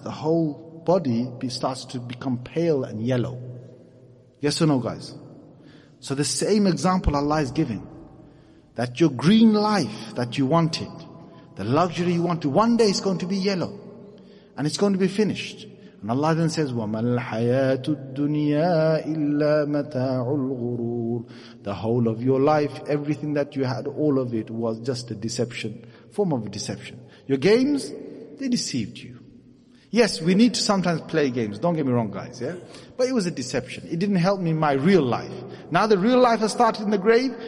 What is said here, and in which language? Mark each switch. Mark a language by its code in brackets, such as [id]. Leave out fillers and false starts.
[en] The whole body starts to become pale and yellow. Yes or no, guys? So the same example Allah is giving. That your green life that you wanted, the luxury you wanted, one day it's going to be yellow. And it's going to be finished. And Allah then says, [ar] وَمَا الْحَيَاةُ الدُّنْيَا إِلَّا مَتَاعُ الْغُرُورِ. [en] The whole of your life, everything that you had, all of it was just a deception. Form of a deception. Your games, they deceived you. Yes, we need to sometimes play games. Don't get me wrong, guys. Yeah, but it was a deception. It didn't help me in my real life. Now the real life has started in the grave.